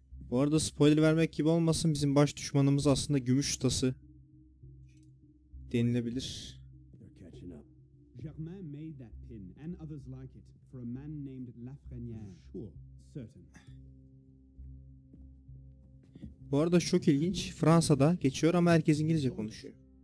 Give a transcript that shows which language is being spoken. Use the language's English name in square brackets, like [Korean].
[Turkish] Bu arada spoiler vermek gibi olmasın, bizim baş düşmanımız aslında gümüş ustası denilebilir. [English] Germain made that pin and others like it for a man named Lafreniere. Sure, certain. [Turkish] Bu arada çok ilginç, Fransa'da geçiyor ama herkes İngilizce konuşuyor.